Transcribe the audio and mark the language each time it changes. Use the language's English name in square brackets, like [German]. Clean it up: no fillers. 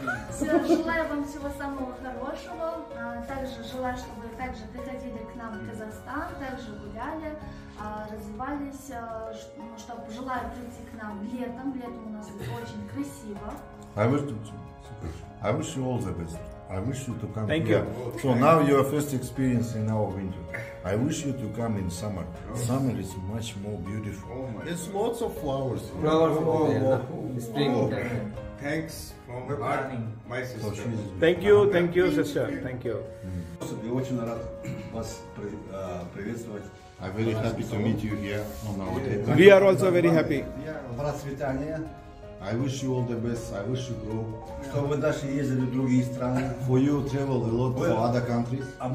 [Russian] Все, желаю вам всего самого хорошего. Также желаю, чтобы также приходили к нам в Казахстан, также гуляли, развивались. Чтобы желаю прийти к нам летом. Летом у нас очень красиво. [English] I wish you all the best. I wish you to come. Thank you. So now your first experience in our winter. I wish you to come in summer. Summer is much more beautiful. Oh my. It's lots of flowers. Thanks from the heart, my sister. So thank you, sister. Thank you. I'm very happy to meet you here on our table. We are also very happy. I wish you all the best. I wish you grow. [Russian] Чтобы дальше ездили в другие страны. [English] For you travel a lot to other countries.